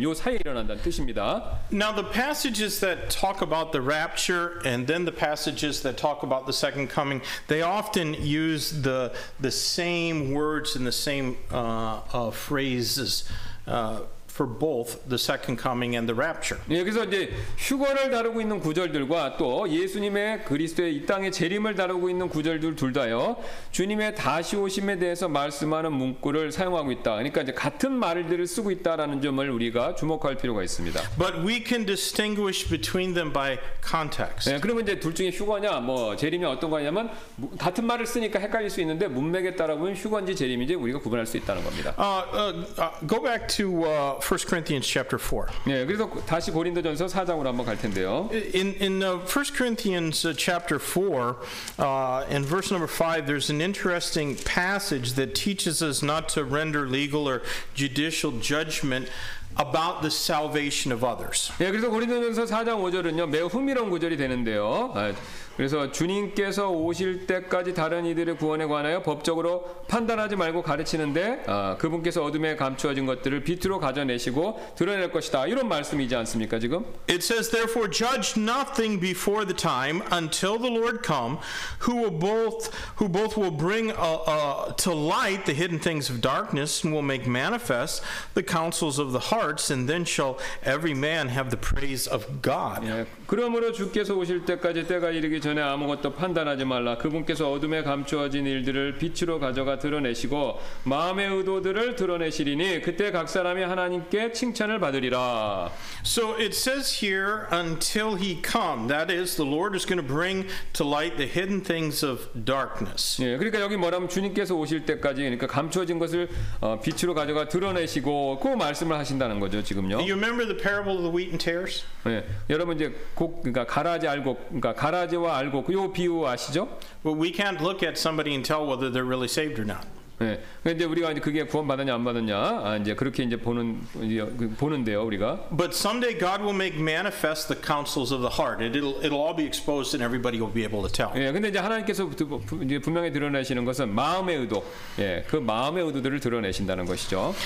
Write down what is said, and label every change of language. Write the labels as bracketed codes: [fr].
[en] Now the passages that talk about the rapture and then the passages that talk about the second coming, they often use the same words and the same phrases for both the second coming and the rapture. [ko] 예, 그래서 이제 휴거를 다루고 있는 구절들과 또 예수님의 그리스도의 이 땅의 재림을 다루고 있는 구절들 둘 다요. 주님의 다시 오심에 대해서 말씀하는 문구를 사용하고 있다. 그러니까 이제 같은 말들을 쓰고 있다라는 점을 우리가 주목할 필요가 있습니다. [en] But we can distinguish between them by context. [ko] 예, 그러면 이제 둘 중에 휴거냐 뭐 재림이 어떤 거냐면 같은 말을 쓰니까 헷갈릴 수 있는데 문맥에 따라 보면 휴거인지 재림인지 우리가 구분할 수 있다는 겁니다. [en] Go back to 1 Corinthians chapter 4. [ko] 네, 그래서 다시 고린도전서 4장으로 한번 갈 텐데요. [en] In 1 Corinthians chapter 4, in verse number 5, there's an interesting passage that teaches us not to render legal or judicial judgment about the salvation of others. [ko] 네, 그래서 고린도전서 4장 5절은요, 매우 흥미로운 구절이 되는데요. 그래서 주님께서 오실 때까지 다른 이들의 구원에 관하여 법적으로 판단하지 말고 가르치는데 그분께서 어둠에 감추어진 것들을 빛으로 가져내시고 드러낼 것이다. 이런 말씀이지 않습니까, 지금? [en] It says therefore judge nothing before the time until the Lord come who both will bring to light the hidden things of darkness and will make manifest the counsels of the hearts and then shall every man have the praise of God. [ko] 예, 그러므로 주께서 오실 때까지 때가 이르기 전에 아무것도 판단하지 말라. 그분께서 어둠에 감추어진 일들을 빛으로 가져가 드러내시고 마음의 의도들을 드러내시리니 그때 각 사람이 하나님께 칭찬을 받으리라. [en] So it says here until he come. That is the Lord is going to bring to light the hidden things of darkness. [ko] 예, 그러니까 여기 뭐라면 주님께서 오실 때까지 그러니까 감추어진 것을 빛으로 가져가 드러내시고 그 말씀을 하신다는 거죠, 지금요. [en] You remember the parable of the wheat and tares? [ko] 예. 여러분 이제 곡 그러니까 가라지 알고 그러니까 가라지 알고 요 비유 아시죠? [en] But we can't look at somebody and tell whether they're really saved or not. [ko] 네, 근데 우리가 이제 그게 구원받았냐 안 받았냐 이제 그렇게 이제 보는 보는데요 우리가. [en] But someday God will make manifest the counsels of the heart. It'll all be exposed and everybody will be able to tell. [ko] 예, 네, 근데 이제 하나님께서 이제 분명히 드러내시는 것은 마음의 의도, 예, 네, 그 마음의 의도들을 드러내신다는 것이죠.